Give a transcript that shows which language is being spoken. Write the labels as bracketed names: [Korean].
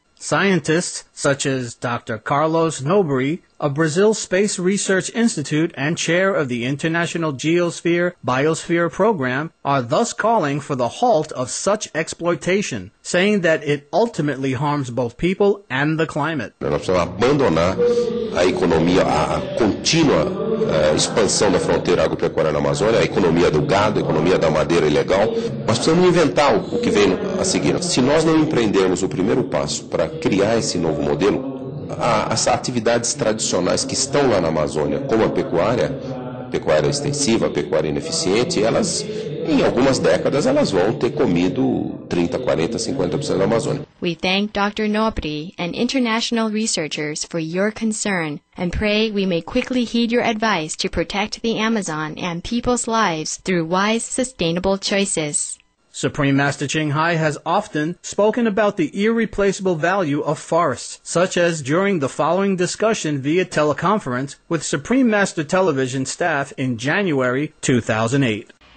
[English] Scientists such as Dr. Carlos Nobre of Brazil Space Research Institute and chair of the International Geosphere Biosphere Program are thus calling for the halt of such exploitation, saying that it ultimately harms both people and the climate. [Portuguese] Nós precisamos abandonar a economia, a contínua expansão da fronteira agropecuária na Amazônia, a economia do gado, a economia da madeira ilegal. Nós precisamos inventar o que vem a seguir. Se nós não empreendermos o primeiro passo para criar esse novo modelo, as atividades tradicionais que estão lá na Amazônia, como a pecuária extensiva, a pecuária ineficiente, elas, em algumas décadas, elas vão ter comido 30, 40, 50% da Amazônia. [English] We thank Dr. Nobre and international researchers for your concern and pray we may quickly heed your advice to protect the Amazon and people's lives through wise, sustainable choices. Supreme Master Ching Hai has often spoken about the irreplaceable value of forests, such as during the following discussion via teleconference with Supreme Master Television staff in January 2008.